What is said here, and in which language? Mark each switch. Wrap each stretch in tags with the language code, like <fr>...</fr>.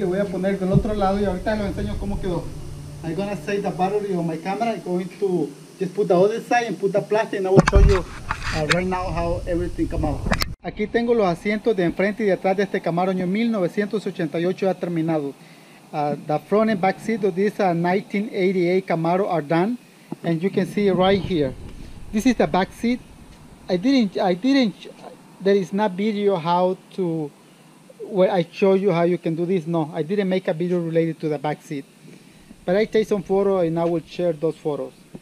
<es>Poner del otro lado y ahorita les enseño cómo quedó.</es> <en>I'm gonna save the battery on my camera. I'm going to just put the other side and put the plastic and I will show you right now how everything come out.</en> <es>Aquí tengo los asientos de enfrente y de atrás de este Camaro año 1988 ya terminado.</es> <en>The front and back seat of this 1988 Camaro are done and you can see right here. This is the back seat I didn't. There is not video how to where I show you how you can do this. No, I didn't make a video related to the back seat. But I take some photos and I will share those photos.</en>